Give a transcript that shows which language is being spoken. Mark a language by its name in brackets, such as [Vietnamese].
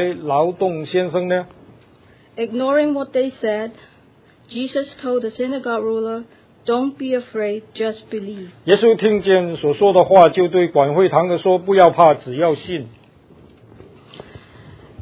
[Chinese] 还说话的时候，有人从管会堂的家里来说：“你的女儿死了，何必还劳动先生呢？” [English] Ignoring what they said, Jesus told the synagogue ruler, "Don't be afraid, just believe." [Chinese] 耶稣听见所说的话，就对管会堂的说：“不要怕，只要信。”